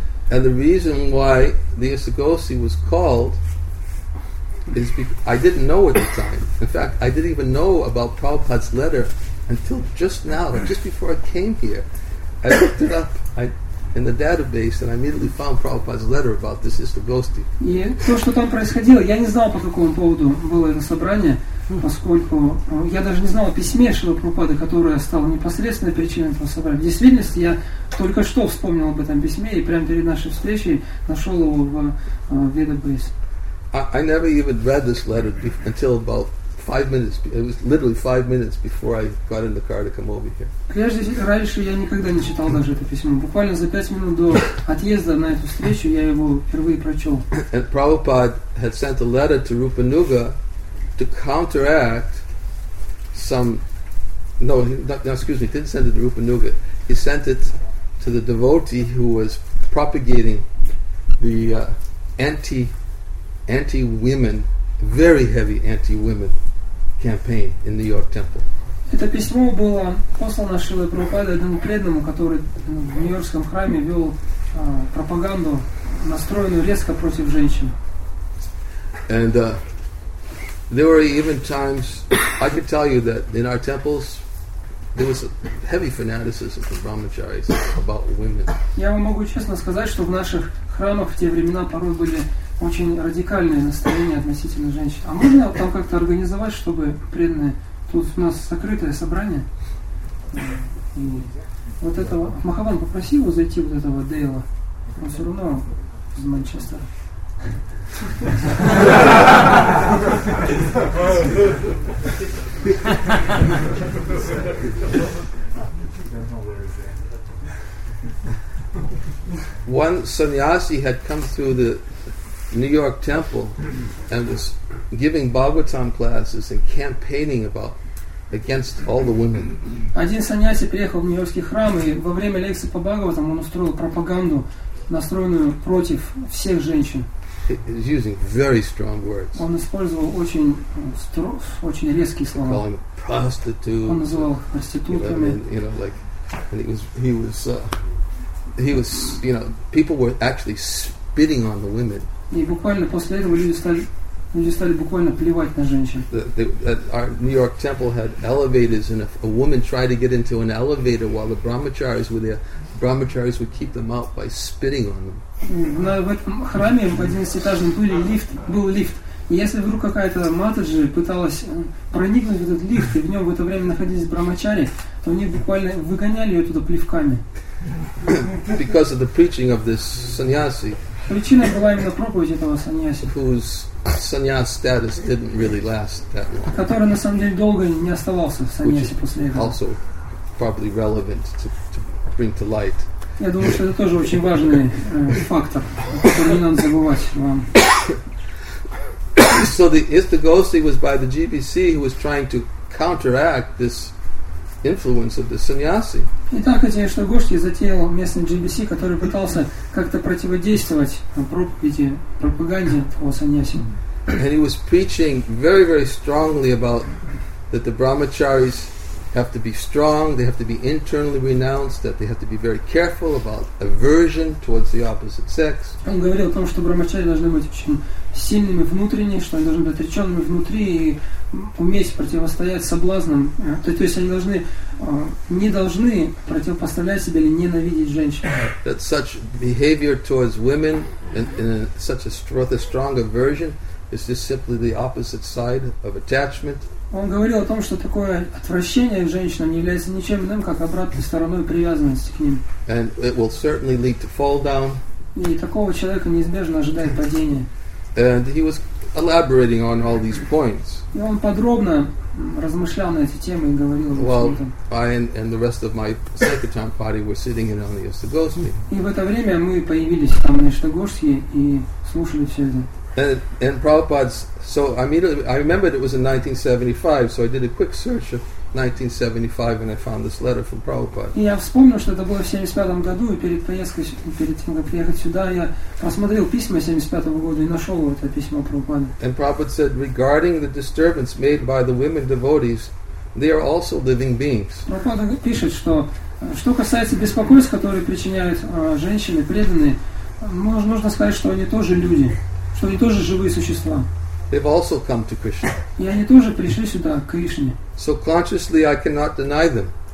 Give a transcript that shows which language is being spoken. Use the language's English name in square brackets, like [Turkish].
[English] And the reason why the Isagosi was called is because I didn't know at the time. In fact, I didn't even know about Prabhupada's letter until just now, just before I came here. I looked it up in the database and I immediately found Prabhupada's letter about this Isagosi. [Russian] И то, что там происходило, я не знал, по какому поводу было это собрание, поскольку я даже не знал о письме Шрила Прабхупады, которое стало непосредственной причиной этого собрания. В действительности я только что вспомнил об этом письме и прямо перед нашей встречей нашел его в Ведабейс. [English] I never even read this letter until about 5 minutes. It was literally 5 minutes before I got in the car to come over here. [Russian] Прежде, раньше я никогда не читал даже это письмо. Буквально за 5 минут до отъезда на эту встречу я его впервые прочел. [English] And Prabhupada had sent a letter to Rupa Nuga to counteract some... No, excuse me, he didn't send it to Rupa Nuga. He sent it to the devotee who was propagating the anti-women, very heavy anti-women campaign in New York Temple. [Russian] Это письмо было послано Шрилой Прабхупадой одному преданному, который в Нью-Йоркском храме вел пропаганду, настроенную резко против женщин. [English] And there were even times, I could tell you that in our temples, there was a heavy fanaticism from brahmacharis about women. [Russian] Я вам могу честно сказать, что в наших храмах в те времена порой были очень радикальные настроения относительно женщин. А можно там как-то организовать, чтобы преданные... Тут у нас закрытое собрание. И вот этого... Махаван, попроси его зайти, вот этого Дейла. Он все равно из Манчестера. [English] One sannyasi had come through the New York Temple and was giving Bhagavatam classes and campaigning about against all the women. [Russian] Один саньяси приехал в Нью-Йоркский храм и во время лекции по Бхагаватам он устроил пропаганду, настроенную против всех женщин. [English] He's using very strong words. [Russian] Он использовал очень резкие слова. [English] Calling prostitutes. [Russian] Он называл их проститутками. [English] You know, like, and he was, you know, people were actually spitting on the women. [Russian] И буквально после этого люди стали буквально плевать на женщин. [English] Our New York temple had elevators, and if a woman tried to get into an elevator while the brahmacharis were there, brahmacharis would keep them out by spitting on them. [Russian] В этом храме в 11-этажном туре был лифт. И если вдруг какая-то матаджи пыталась проникнуть в этот лифт, и в нем в это время находились брахмачари, то они буквально выгоняли ее туда плевками. [English] Because of the preaching of this sannyasi. [Russian] Причина была именно проповедь этого саньяси. [English] Whose sannyas status didn't really last that long. [Russian] Который на самом деле долго не оставался в саньясе после этого. [English] Also probably relevant to bring to light. [Russian] Я думаю, что это тоже очень важный фактор, который не надо забывать вам. [English] So the Isagosi was by the GBC who was trying to counteract this influence of the sannyasi. [Russian] Итак, эти Исагоси затеял местный GBC, который пытался как-то противодействовать пропаганде этого саньяси. [English] And he was preaching very, very strongly about that the brahmacharis have to be strong, they have to be internally renounced, that they have to be very careful about aversion towards the opposite sex. [Russian] Он говорил о том, что брахмачари должны быть очень сильными внутренне, что они должны быть отреченными внутри и уметь противостоять соблазнам. То есть они должны не должны противопоставлять себя или ненавидеть женщин. [English] That such behavior towards women in such a rather strong aversion is just simply the opposite side of attachment. [Russian] Он говорил о том, что такое отвращение к женщинам не является ничем иным, как обратной стороной привязанности к ним. [English] And it will certainly lead to fall down. [Russian] И такого человека неизбежно ожидает падение. [English] And he was elaborating on all these points. [Russian] И он подробно размышлял на эти темы и говорил об этом. [English] I and the rest of my Sankirtan party were sitting in on the Isagosi. [Russian] И в это время мы появились там на Исагоси и слушали все это. [English] And Prabhupada's, so I immediately, I remembered it was in 1975, so I did a quick search of 1975 when I found this letter from Prabhupada. [Russian] Я вспомнил, что это было в 75 году, и перед поездкой, перед тем, как приехать сюда, я посмотрел письма 75 года и нашел это письмо Прабхупады. [English] And Prabhupada said, regarding the disturbance made by the women devotees, they are also living beings. [Russian] Прабхупада пишет, что что касается беспокойств, которые причиняют женщины преданные, нужно сказать, что они тоже люди, что они тоже живые существа. [English] They've also come to Krishna. [Russian] И они тоже пришли сюда, к Кришне. [English] So consciously I cannot deny them.